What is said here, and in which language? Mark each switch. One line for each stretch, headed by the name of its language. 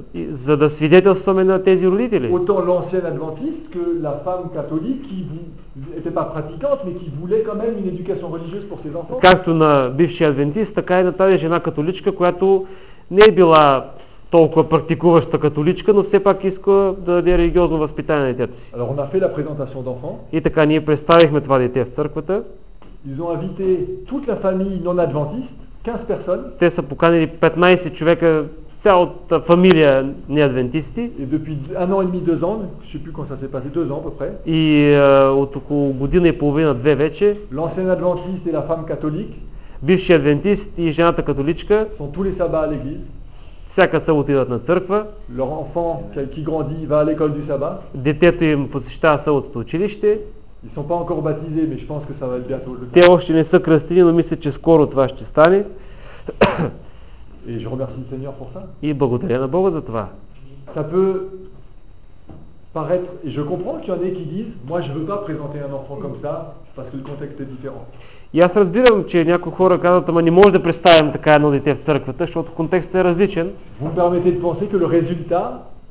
Bulgarian: За да свидетелстваме на тези родители.
French: Autant l'ancien adventiste que la femme catholique qui était pas pratiquante, mais qui voulait quand même une éducation religieuse pour ses enfants.
Bulgarian: Както на бившия адвентист, така и на тази жена католичка, която не е била толкова практикуваща католичка, но все пак иска да даде религиозно възпитание на детето си.
French: Alors, on a fait la présentation d'enfant.
Bulgarian: И така ние представихме това дете в църквата.
French: Ils ont invité toute la famille non adventiste, 15 personnes.
Bulgarian: Те са поканили 15 човека, цялата фамилия неадвентисти.
French: Et depuis un an et demi, deux ans, je sais plus quand ça s'est passé, deux ans à peu près.
Bulgarian: И от около година и половина, две вече.
French: L'ancien adventiste et la femme catholique.
Bulgarian: Бившият адвентист и жената католичка.
French: Sont tous les sabbats à l'église.
Bulgarian: Всяка събота идват на църква.
French: Leur enfant qui grandit va à l'école du sabbat.
Bulgarian: Детето им посещава съботното училище.
French: Ils sont pas encore baptisés, mais je pense que ça va être bientôt le cas.
Bulgarian: Те още не са кръстени, но мисля, че скоро това ще стане.
French: Et je remercie le Seigneur pour ça.
Bulgarian: И благодаря на Бога за това.
French: Ça peut paraître, et je comprends qu'il y en ait qui disent: moi je veux pas présenter un enfant comme ça parce que le contexte est différent.
Bulgarian: И аз разбирам, че някои хора казват: ама не може да представим така едно дете в църквата, защото контекстът е различен.
French: Vous permettez de penser que le résultat...